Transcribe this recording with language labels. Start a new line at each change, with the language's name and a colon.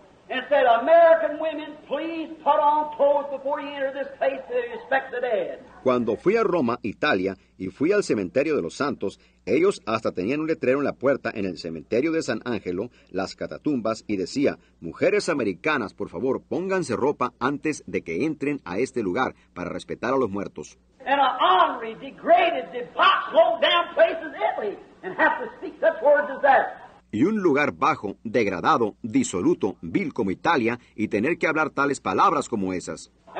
English: And said, American women, please put on clothes before you enter this place to respect the dead.
Spanish: Cuando fui a Roma, Italia, y fui al cementerio de los santos, ellos hasta tenían un letrero en la puerta en el cementerio de San Ángelo, las catatumbas, y decía, mujeres americanas, por favor, pónganse ropa antes de que entren a este lugar para respetar a los muertos.
English: And an ornery, degraded, debauched, low-down place is Italy, and have to speak such words as that.
Spanish: Y un lugar bajo, degradado, disoluto, vil como Italia, y tener que hablar tales palabras como esas.